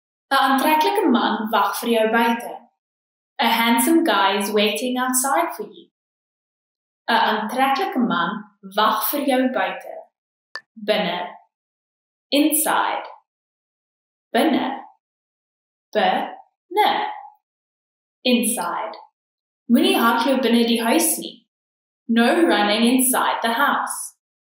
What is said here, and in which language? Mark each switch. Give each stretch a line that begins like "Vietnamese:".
Afrikaans: 'N aantreklike man wag vir jou buite.
English: A handsome guy is waiting outside for you.
Afrikaans: 'N aantreklike man wag vir jou buite. Binne. Inside. Binne. Binne. Inside. Moenie hardloop binne die huis nie.
English: No running inside the house.